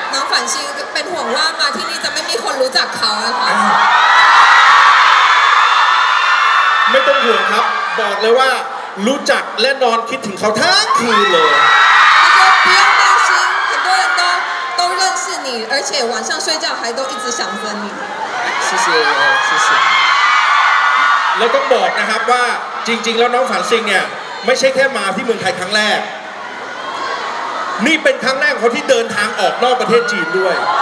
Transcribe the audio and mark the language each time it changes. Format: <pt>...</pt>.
<th>反心เป็นห่วงว่ามาที่นี่จะไม่มีคนรู้จักเขานะคะ ไม่ต้องห่วงครับบอกเลยว่ารู้จักและนอนคิดถึงเขาทั้งคืนเลย</th> <zh>คือ不用担心很多人都认识你而且晚上睡觉还都一直想着你谢谢哦谢谢</zh> <th>แล้วต้องบอกนะครับว่าจริงๆแล้วน้องฝันซิงเนี่ยไม่ใช่แค่มาที่เมืองไทยครั้งแรกนี่เป็นครั้งแรกเขาที่เดินทางออกนอกประเทศจีนด้วย</th>